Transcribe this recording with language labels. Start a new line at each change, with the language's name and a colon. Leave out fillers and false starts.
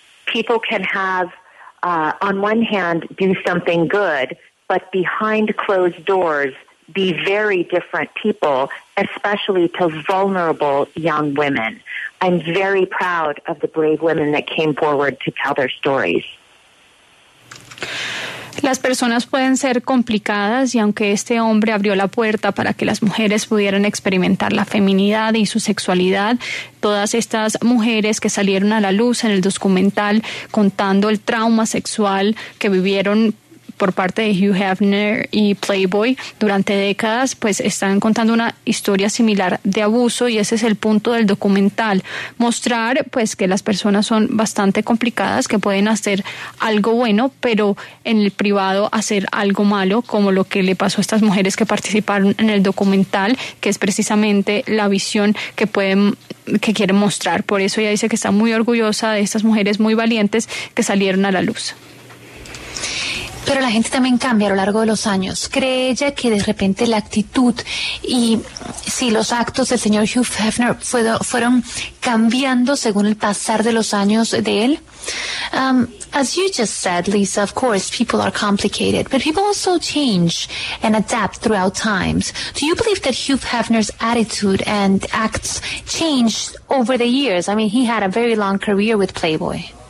English: People can have, on one hand, do something good, but behind closed doors, be very different people, especially to vulnerable young women. I'm very proud of the brave women that came forward to tell their stories.
Spanish: Las personas pueden ser complicadas y aunque este hombre abrió la puerta para que las mujeres pudieran experimentar la feminidad y su sexualidad, todas estas mujeres que salieron a la luz en el documental contando el trauma sexual que vivieron por parte de Hugh Hefner y Playboy durante décadas, pues están contando una historia similar de abuso y ese es el punto del documental. Mostrar pues que las personas son bastante complicadas, que pueden hacer algo bueno, pero en el privado hacer algo malo, como lo que le pasó a estas mujeres que participaron en el documental, que es precisamente la visión que pueden, que quieren mostrar. Por eso ella dice que está muy orgullosa de estas mujeres muy valientes que salieron a la luz. Pero la gente también cambia a lo largo de los años. ¿Cree ella que de repente la actitud y si los actos del señor Hugh Hefner fueron cambiando según el pasar de los años de él?
English: As you just said, Lisa, of course, people are complicated, but people also change and adapt throughout times. Do you believe that Hugh Hefner's attitude and acts changed over the years? I mean, he had a very long career with Playboy.